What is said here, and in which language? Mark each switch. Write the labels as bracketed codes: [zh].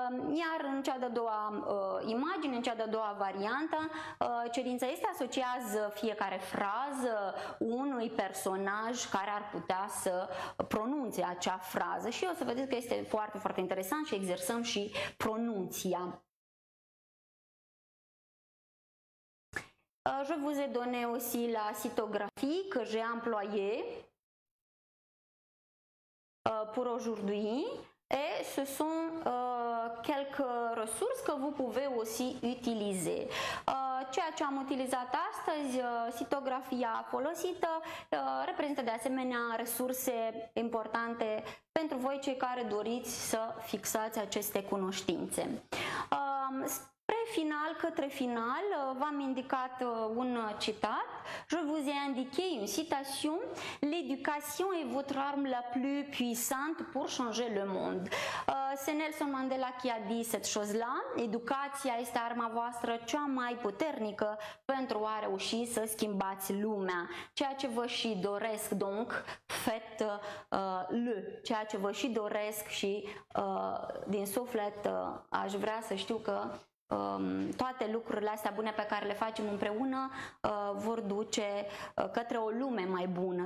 [ro] Iar în cea de-a doua imagine, în cea de-a doua variantă, cerința este asociază fiecare frază unui personaj care ar putea să pronunțe acea frază. Și o să vedeți că este foarte, foarte interesant și exersăm și pronunția. [fr] Je vous ai donné aussi la cytographie que j'ai employée pour aujourd'hui et ce sont quelques ressources que vous pouvez aussi utiliser. [ro] Ceea ce am utilizat astăzi, cytographia folosită, reprezintă de asemenea resurse importante pentru voi cei care doriți să fixați aceste cunoștințe. Spre final, către final, v-am indicat un citat. [fr] Je vous ai indiqué une citation. L'éducation est votre arme la plus puissante pour changer le monde. C'est Nelson Mandela qui a dit cette chose-là. [ro] Educația este arma voastră cea mai puternică pentru a reuși să schimbați lumea. Ceea ce vă și doresc, [fr] donc, faites-le. [ro] Ceea ce vă și doresc și din suflet aș vrea să știu că toate lucrurile astea bune pe care le facem împreună vor duce către o lume mai bună.